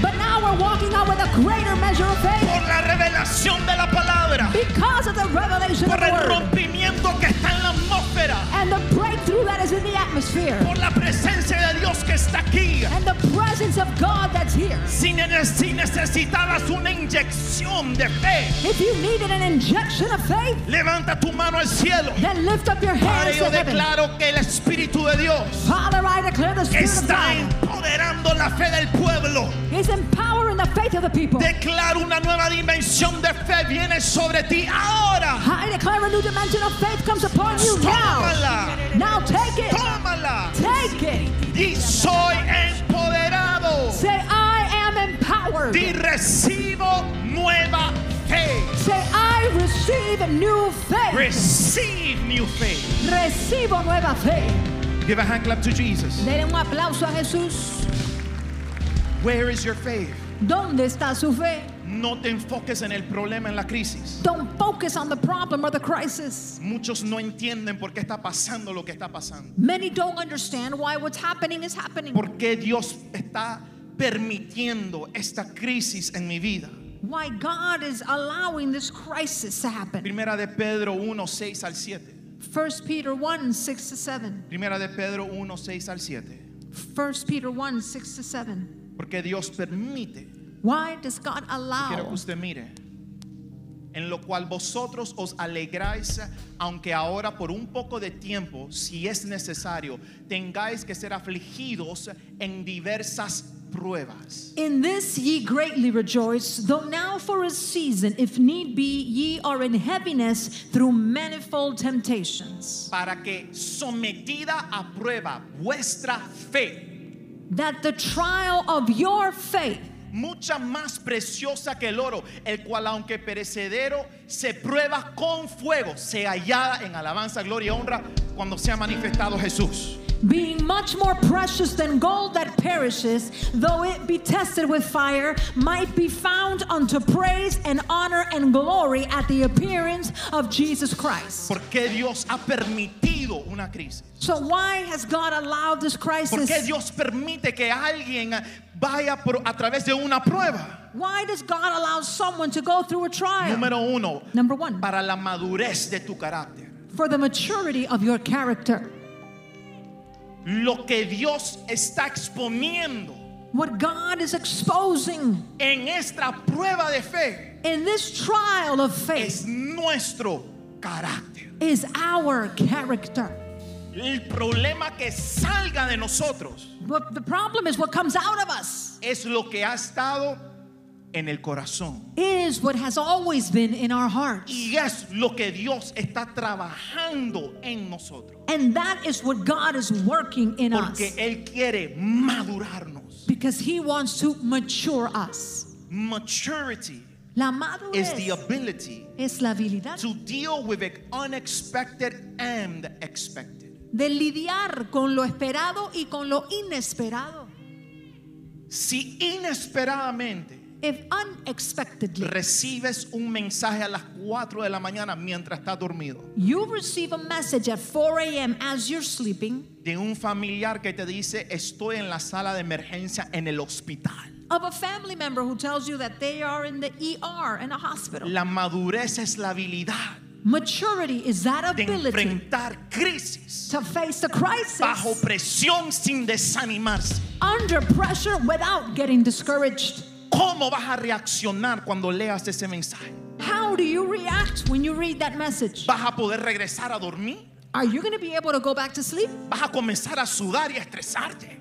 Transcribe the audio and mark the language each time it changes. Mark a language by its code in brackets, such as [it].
[en] But now we're walking out with a greater measure of faith. [es] Por la revelación de la palabra. [en] Because of the revelation [es] por [en] of the word. [es] Por el rompimiento que está en la atmósfera. [en] And the breakthrough that is in the atmosphere. [es] Por la presencia de Dios que está aquí. [en] And the presence of God that's here. [es] Si necesitabas una inyección de fe. [en] If you needed an injection of faith. [es] Levanta tu mano al cielo. [en] Then lift up your hands to heaven. [es] Padre, yo declaro que el Espíritu de Dios. [en] Father, I declare the Spirit [es] está [en] of God. [es] Empoderando la fe del pueblo. [en] He's empowering the faith of the people. [es] Declaro una nueva dimensión de fe viene sobre ti ahora. [en] I declare a new dimension of faith comes upon you. [es] Tómala. [en] Now. Now take it. [es] Tómala. [en] Take it. [es] Y soy empoderado. [en] Say I am empowered. [es] Y recibo nueva fe. [en] Say I receive new faith. Receive new faith. [es] Recibo nueva fe. [en] Give a hand clap to Jesus. [es] Denle un aplauso a Jesús. [en] Where is your faith? [es] ¿Dónde está su fe? No te enfoques en el problema en la crisis. [en] Don't focus on the problem or the crisis. [es] Muchos no entienden por qué está pasando lo que está pasando. [en] Many don't understand why what's happening is happening. [es] ¿Por qué Dios está permitiendo esta crisis en mi vida? [en] Why God is allowing this crisis to happen? [es] Primera de Pedro 1:6 al 7. [en] 1 Peter 1:6 to 7. [es] Primera de Pedro 1:6 al 7. [en] 1 Peter 1:6 to 7. [es] Porque Dios permite. [en] Why does God allow? [es] Quiero que usted mire. En lo cual vosotros os alegráis, aunque ahora por un poco de tiempo, si es necesario, tengáis que ser afligidos en diversas pruebas. [en] In this ye greatly rejoice, though now for a season, if need be, ye are in heaviness through manifold temptations. [es] Para que sometida a prueba vuestra fe. [en] That the trial of your faith. [es] Mucha más preciosa que el oro, el cual aunque perecedero se prueba con fuego, se hallada en alabanza, gloria y honra cuando sea manifestado Jesús. [en] Being much more precious than gold that perishes, though it be tested with fire, might be found unto praise and honor and glory at the appearance of Jesus Christ. [es] ¿Por qué Dios ha permitido una crisis? [en] So why has God allowed this crisis? [es] ¿Por qué Dios permite que alguien vaya por, a través de una prueba? [en] Why does God allow someone to go through a trial? [es] Número uno. [en] Number one. [es] Para la madurez de tu carácter. [en] For the maturity of your character. [es] Lo que Dios está exponiendo. [en] What God is exposing. [es] En esta prueba de fe. [en] In this trial of faith. [es] Es nuestro carácter. [en] Is our character. [es] El problema que salga de nosotros. [en] But the problem is what comes out of us. [es] Es lo que ha estado en el corazón. [en] Is what has always been in our hearts. [es] Y es lo que Dios está trabajando en nosotros. [en] And that is what God is working in [es] porque [en] us. [es] Porque Él quiere madurarnos. [en] Because He wants to mature us. Maturity. [es] La madurez. [en] Is the ability. [es] Es la habilidad. [en] To deal with it unexpected and expected. [es] De lidiar con lo esperado y con lo inesperado. Si inesperadamente, [en] if unexpectedly, [es] recibes un mensaje a las 4 de la mañana mientras estás dormido, [en] you receive a message at 4 a.m. as you're sleeping, [es] de un familiar que te dice estoy en la sala de emergencia en el hospital, [en] of a family member who tells you that they are in the ER in a hospital, [es] la madurez es la habilidad. [en] Maturity is that ability [es] de enfrentar crisis [en] to face the crisis [es] bajo presión sin desanimarse. [en] Under pressure without getting discouraged. [es] ¿Cómo vas a reaccionar cuando leas ese mensaje? [en] How do you react when you read that message? [es] ¿Vas a poder regresar a dormir? [en] Are you going to be able to go back to sleep? [es] ¿Vas a comenzar a sudar y a estresarte?